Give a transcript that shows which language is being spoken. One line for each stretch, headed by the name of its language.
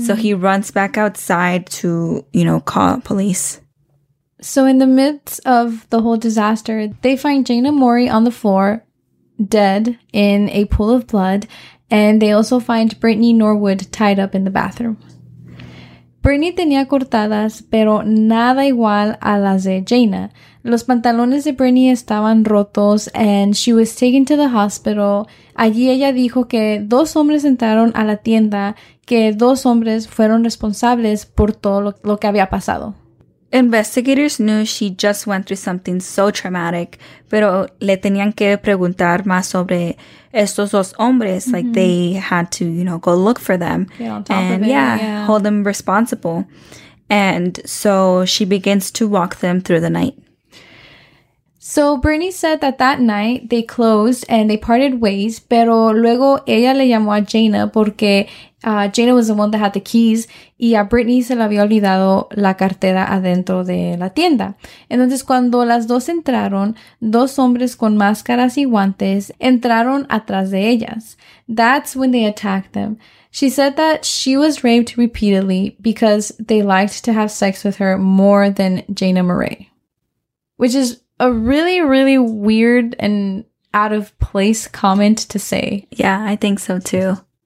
English: So he runs back outside to, you know, call police. So in the midst of the whole disaster, they find Jaina Murray on the floor, dead, in a pool of blood, and they also find Brittany Norwood tied up in the bathroom.
Spanish: Brittany tenía cortadas, pero nada igual a las de Jaina. Los pantalones de Brittany estaban rotos,
English: and she was taken to the hospital.
Spanish: Allí ella dijo que dos hombres entraron a la tienda, que dos hombres fueron responsables por todo lo que había pasado.
English: Investigators knew she just went through something so traumatic,
Spanish: pero le tenían que preguntar más sobre estos dos hombres. Mm-hmm.
English: Like, they had to, you know, go look for them. Hold them responsible. And so she begins to walk them through the night. So Bernie said that night they closed and they parted ways,
Spanish: pero luego ella le llamó a Jaina porque Jaina
English: was the one that had the keys
Spanish: y a Brittany se le había olvidado la cartera adentro de la tienda. Entonces cuando las dos entraron, dos hombres con máscaras y guantes entraron atrás de ellas.
English: That's when they attacked them. She said that she was raped repeatedly because they liked to have sex with her more than Jaina Murray. Which is a really, really weird and out of place comment to say. Yeah, I think so too.